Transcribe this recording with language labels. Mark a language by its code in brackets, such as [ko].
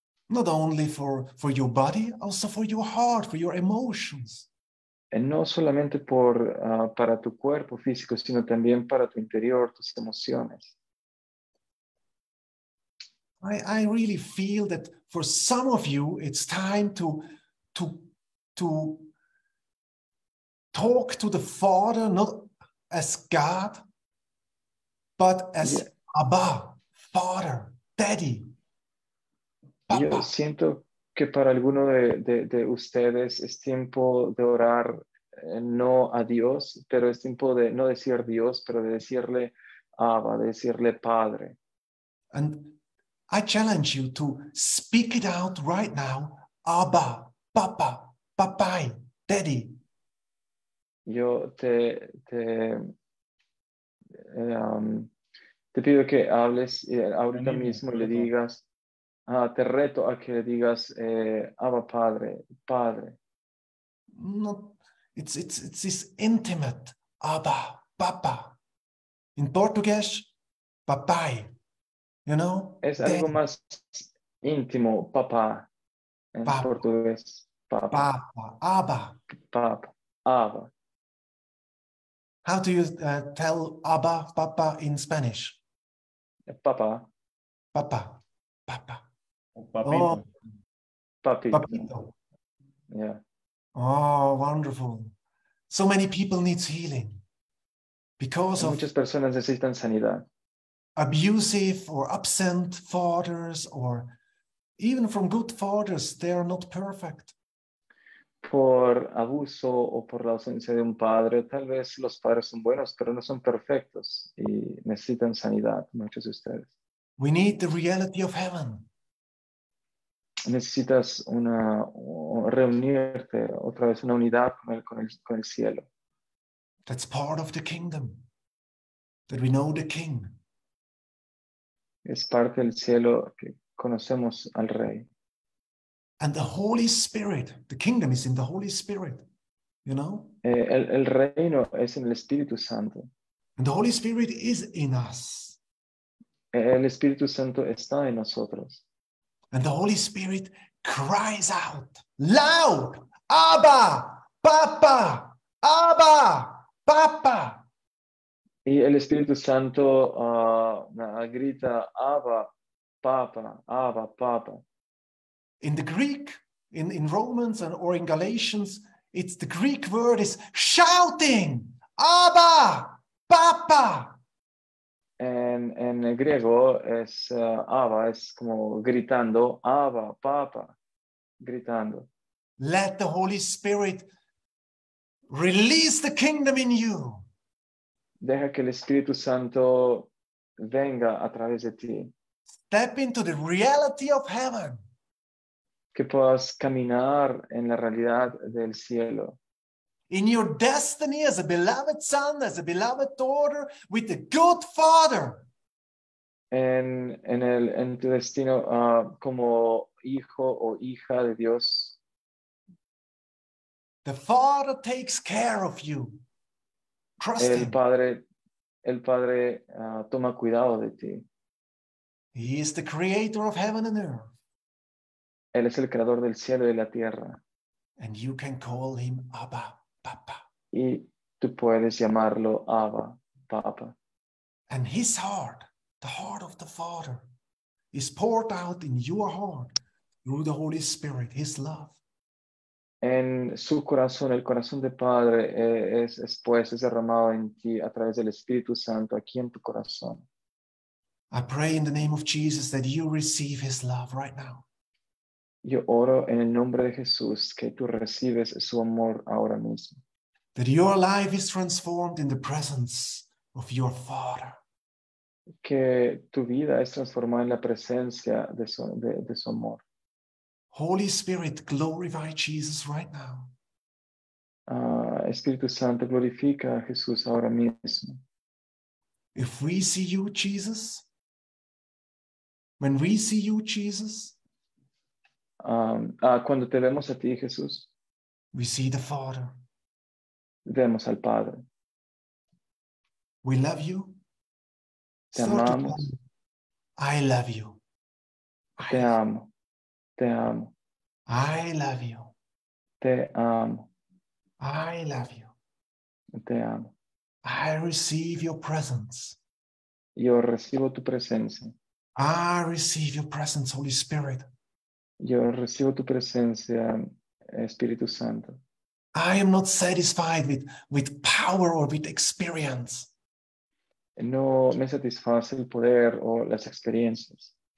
[en] Not only for your body, also for your heart, for your emotions. [es] No solamente por para tu cuerpo físico, sino también para tu interior, tus emociones. [en] I really feel that for some of you, it's time to talk to the Father, not as God, but as Abba, Father, Daddy. [es] Yo siento que para alguno de ustedes es tiempo de orar no a Dios, pero es tiempo de no decir Dios, pero de decirle Abba, de decirle Padre. [en] And I challenge you to speak it out right now. Abba, Papa, Papai, Daddy. [es] Yo te pido que hables ahorita mismo y le digas. Te reto a que le digas Abba Padre, Padre. [en] No, it's this intimate Abba, Papa. In Portuguese, Papai, you know? [es] Es algo Daddy. Más íntimo, Papa, en Papa. Portugués, Papa. Papa, Abba. Papa, Abba. [en] How do you tell Abba, Papa in Spanish? [es] Papa. Papa, Papa. Papito. Oh. Papito. [en] Yeah. Oh, wonderful. So many people need healing. Because of [es] muchas personas necesitan sanidad. [en] Abusive or absent fathers, or even from good fathers, they are not perfect. [es] Por abuso o por la ausencia de un padre, tal vez los padres son buenos, pero no son perfectos y necesitan sanidad, muchos de ustedes. [en] We need the reality of heaven. [es] Necesitas una reunirte otra vez, una unidad con el cielo. [en] That's part of the kingdom, that we know the king. [es] Es parte del cielo que conocemos al rey. [en] And the Holy Spirit, the kingdom is in the Holy Spirit, you know? [es] El reino es en el Espíritu Santo. [en] And the Holy Spirit is in us. [es] El Espíritu Santo está en nosotros. [en] And the Holy Spirit cries out loud, Abba, Papa, Abba, Papa. [es] Y el Espíritu Santo grita, Abba, Papa, Abba, Papa. [en] In the Greek, in Romans and or in Galatians, it's the Greek word is shouting, Abba, Papa. [es] En griego es Abba, es como gritando, Abba, Papa, gritando. [en] Let the Holy Spirit release the kingdom in you. [es] Deja que el Espíritu Santo venga a través de ti. [en] Step into the reality of heaven. [es] Que puedas caminar en la realidad del cielo. [en] In your destiny as a beloved son, as a beloved daughter, with a good father. [es] En tu destino como hijo o hija de Dios. [en] The Father takes care of you. Trust [es] Him. El padre toma cuidado de ti. [en] He is the creator of heaven and earth. [es] Él es el creador del cielo y de la tierra. [en] And you can call him Abba, Papa. [es] Y tú puedes llamarlo Abba, Papa. [en] And his heart, the heart of the Father, is poured out in your heart through the Holy Spirit, his love. [es] En su corazón, el corazón de Padre, es derramado en ti a través del Espíritu Santo aquí en tu corazón. [en] I pray in the name of Jesus that you receive his love right now. [es] Yo oro en el nombre de Jesús que tú recibes su amor ahora mismo. [en] That your life is transformed in the presence of your Father. [es] Que tu vida es transformada en la presencia de su amor. [en] Holy Spirit, glorify Jesus right now. [es] Espíritu Santo, glorifica a Jesús ahora mismo. [en] If we see you, Jesus, when we see you, Jesus, [es] cuando te vemos a ti, Jesús, [en] we see the Father. [es] Vemos al Padre. [en] We love you. [es] Te amamos. [en] I love you. [es] Te amo. Te amo. [en] I love you. [es] Te amo. [en] I love you. [es] Te amo. [en] I receive your presence. [es] Yo recibo tu presencia. [en] I receive your presence, Holy Spirit. [es] Yo recibo tu presencia, Espíritu Santo. [en] I am not satisfied with power or with experience. [es] No me satisface el poder o las experiencias.